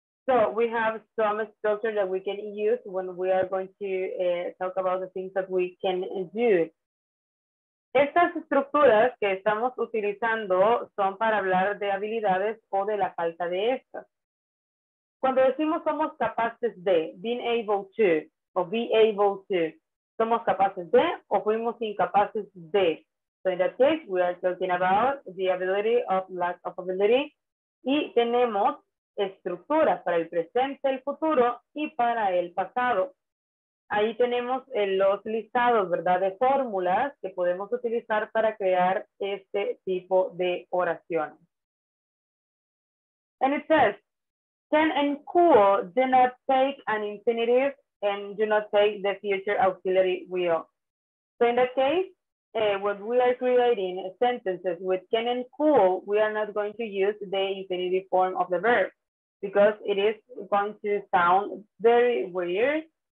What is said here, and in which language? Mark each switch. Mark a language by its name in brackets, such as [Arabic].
[English] So we have some structure that we can use when we are going to talk about the things that we can do. [Spanish] Estas estructuras que estamos utilizando son para hablar de habilidades o de la falta de estas. Cuando decimos somos capaces de, [English] being able to, [Spanish] o [English] be able to, [Spanish] somos capaces de o fuimos incapaces de. [English] So in that case, we are talking about the ability of lack of ability. [Spanish] Y tenemos estructuras para el presente, el futuro y para el pasado. Ahí tenemos los listados, ¿verdad?, de fórmulas que podemos utilizar para crear este tipo de oraciones. [English] And it says, can and could do not take an infinitive and do not take the future auxiliary will. So in that case, when we are creating sentences with can and could, we are not going to use the infinitive form of the verb because it is going to sound very weird.